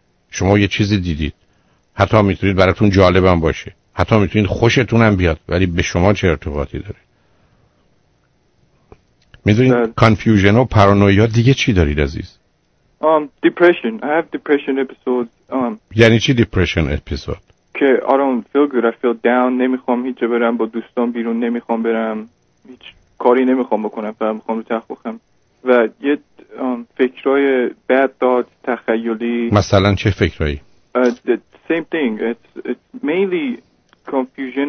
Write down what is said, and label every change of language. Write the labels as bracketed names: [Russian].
[Persian] شما یه چیزی دیدید، حتی میتونید براتون جالب هم باشه، حتی میتونید خوشتون هم بیاد، ولی به شما چه ارتباطی داره؟ میدونید کانفیوژن و پارانویا دیگه چی دارید عزیز؟ [English] depression. I have depression episodes. [Persian] یعنی چی [English] depression episode؟ که I don't feel good. I feel down. [Persian] نمیخوام هیچ جا برم، با دوستان بیرون نمیخوام برم، هیچ کاری نمیخوام بکنم، فقط میخوام رو تخت بخوام. و یه فکرای [English] bad thoughts، [Persian] تخیلی. مثلا چه فکرایی؟ [English] same thing. It's mainly confusion.